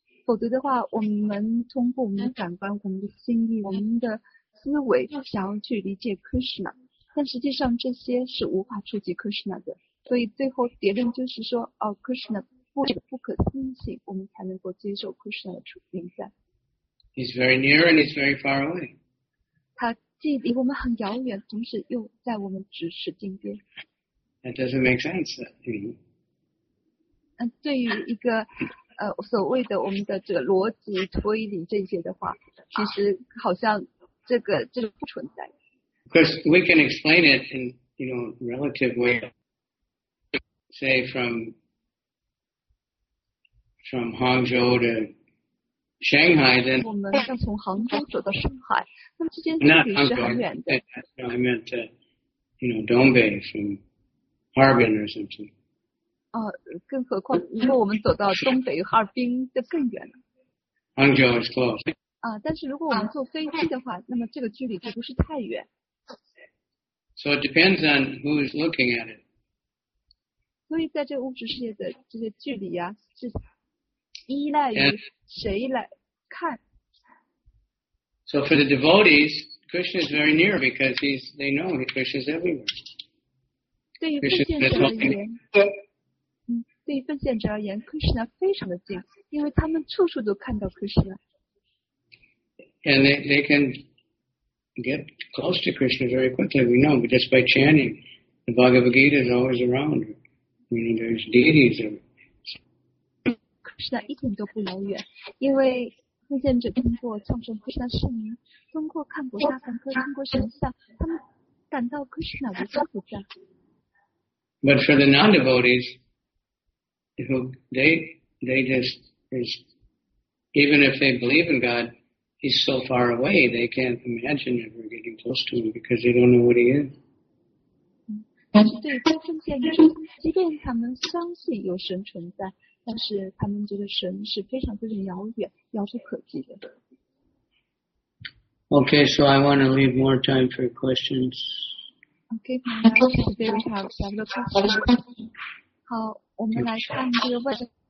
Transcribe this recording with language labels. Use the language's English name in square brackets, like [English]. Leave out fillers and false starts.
[Chinese] 否则的话，我们通过我们的感官、我们的心意、我们的思维，想要去理解 Krishna， 但实际上这些是无法触及 Krishna 的。所以最后结论就是说，哦 ，Krishna 不可思议性，我们才能够接受 Krishna 的存在。 [English] He's very near and he's very far away. [Chinese] 他既离我们很遥远，同时又在我们咫尺近边。 [English] That doesn't make sense. [Chinese] 对于一个所谓的我们的这个逻辑推理这些的话，其实好像这个不存在。 [English] Because we can explain it in you know relative way, say from Hangzhou to Shanghai, then. [Chinese] 我们要从杭州走到上海。 [English] Not Hangzhou. I meant to, you know, Dongbei from Harbin or something. [Chinese] 更何况如果我们走到东北哈尔滨就更远了。 [English] Hangzhou is close. [Chinese] 但是如果我们坐飞机的话，那么这个距离就不是太远。 [English] So it depends on who is looking at it. [Chinese] 所以在这个物质世界的这些距离啊，是依赖于谁来看。 [English] So for the devotees, Krishna is very near because they know Krishna is everywhere. [Chinese] 对于不见得的人，对于奉献者而言 Krishna 非常的近，因为他们处处都看到 Krishna。 [English] And they can get close to Krishna very quickly, we know, but just by chanting, the Bhagavad Gita is always around. I mean, there's deities of [Chinese] Krishna 一点都不遥远，因为奉献者通过唱诵 Krishna 圣名，通过看菩萨梵歌，通过神像，他们感到 Krishna 无处不在。 [English] But for the non-devotees, who they just is, even if they believe in God, he's so far away, they can't imagine ever getting close to him because they don't know what he is. [Chinese] 但是对于奉献者，即便他们相信有神存在，但是他们觉得神是非常非常遥远，遥不可及的。 [English] Okay, so I want to leave more time for questions. Okay, now today we have several questions. [Chinese] 好，我们来看这个问题。